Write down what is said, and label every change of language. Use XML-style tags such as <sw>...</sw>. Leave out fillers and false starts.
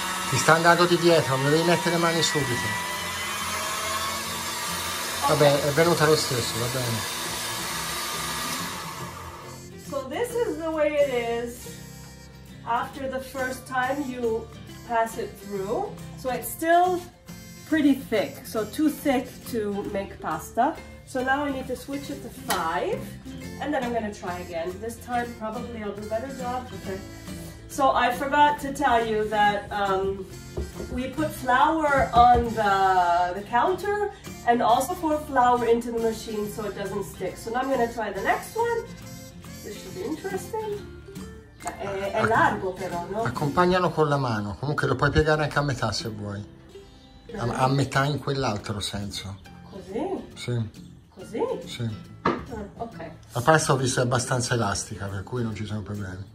<it>Ti sta andando di dietro, mi devi mettere le mani subito. Vabbè, è venuta lo stesso, va bene.</it> <en>So this is the way it is. After the first time you pass it through. So it's still pretty thick, so too thick to make pasta. So now I need to switch it to 5, and then I'm gonna try again. This time probably I'll do a better job. Okay. So I forgot to tell you that we put flour on the counter and also pour flour into the machine so it doesn't stick. So now I'm gonna try the next one. This should be interesting.</en> <it>È largo però, no? Accompagnano con la mano, comunque lo puoi piegare anche a metà se vuoi. A metà in quell'altro senso. Così? Sì. Così? Sì. Ok. La pasta ho visto è abbastanza elastica, per cui non ci sono problemi.</it>